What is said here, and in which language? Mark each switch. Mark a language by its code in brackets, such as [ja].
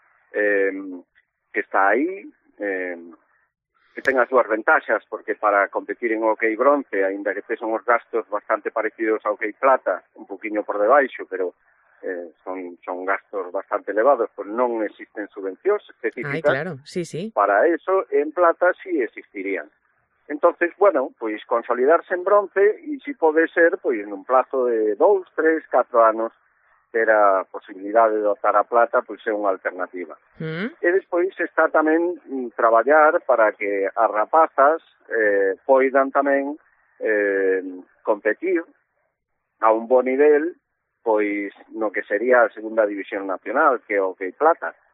[gl] que está aí, que tenga as súas ventaxas, porque para competir en hockey bronce, aínda que son os gastos bastante parecidos ao hockey plata, un poquinho por debaixo, pero son gastos bastante elevados, pois non existen subvencións específicas. [es] Ay, claro. Sí, sí. Para eso, en plata sí existirían. [gl] Entonces, bueno, pois consolidarse en bronce, e si pode ser, pois en un plazo de 2, 3, 4 anos, ter a posibilidad de dotar a plata, pois é unha alternativa. E despois está tamén traballar para que as rapazas poidan tamén competir a un bo nivel, pois no que sería a segunda división nacional, que é o que é plata.